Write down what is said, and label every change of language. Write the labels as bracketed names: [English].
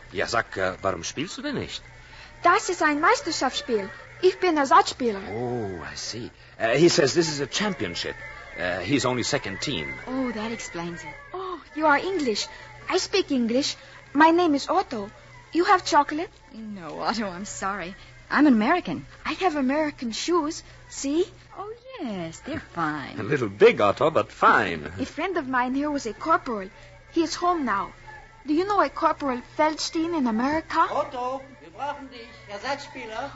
[German] Ja, sag, warum spielst du denn nicht? Das ist ein Meisterschaftsspiel. Ich bin Ersatzspieler. [English] Oh, I see. He says this is a championship. He's only second team. Oh, that explains it. Oh, you are English. I speak English. My name is Otto. You have chocolate? No, Otto, I'm sorry. I'm an American. I have American shoes. See? Oh, yes, they're fine. A little big, Otto, but fine. A friend of mine here was a corporal. He is home now. Do you know a Corporal Feldstein in America? [German] Otto, wir brauchen dich, Ersatzspieler.